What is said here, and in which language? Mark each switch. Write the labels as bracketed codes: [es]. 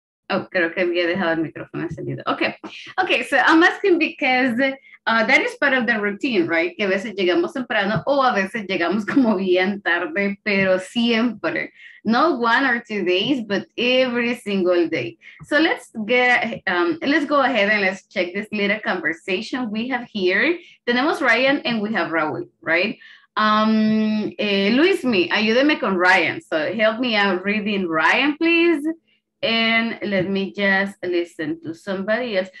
[es] Oh, creo que había dejado el micrófono encendido. Okay. [en] Okay, so I'm asking because that is part of the routine, right? [es] Que a veces llegamos temprano o a veces llegamos como bien tarde, pero siempre. [en] Not one or two days, but every single day. So let's go ahead and let's check this little conversation we have here. Tenemos Ryan and we have Raul, right? Luismi, [es] ayúdeme con Ryan. [en] So help me out reading Ryan, please. And let me just listen to somebody else.